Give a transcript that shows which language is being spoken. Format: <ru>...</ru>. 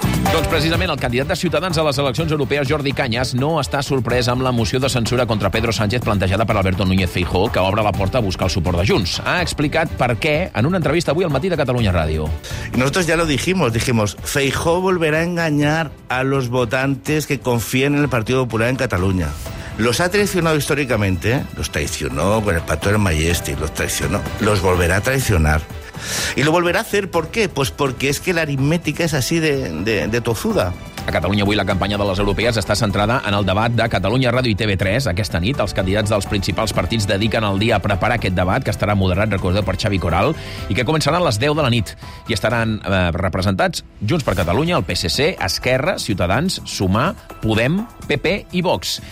<ca>Doncs precisament el candidat de Ciutadans a les eleccions europees, Jordi Cañas, no està sorprès amb la moció de censura contra Pedro Sánchez plantejada per Alberto Núñez Feijóo, que obre la porta a buscar el suport de Junts. Ha explicat per què en una entrevista avui al matí de Catalunya Ràdio.</ca> <es>Nosotros ya lo dijimos, Feijóo volverá a engañar a los votantes que confíen en el Partido Popular en Cataluña. Los ha traicionado históricamente, los traicionó con el pacto del Majestic, los traicionó, los volverá a traicionar. Y lo volverá a hacer, ¿por qué? Pues porque es que la aritmética es así de tozuda.</es> <ca>A Catalunya Avui, la campanya de les europees està centrada en el debat de Catalunya Ràdio i TV3. Aquesta nit, els candidats dels principals partits dediquen el dia a preparar aquest debat, que estarà moderat, recordeu, per Xavi Coral, i que començarà a les 10 de la nit. I estaran representats Junts per Catalunya, el PSC, Esquerra, Ciutadans, Sumar, Podem, PP i Vox.</ca>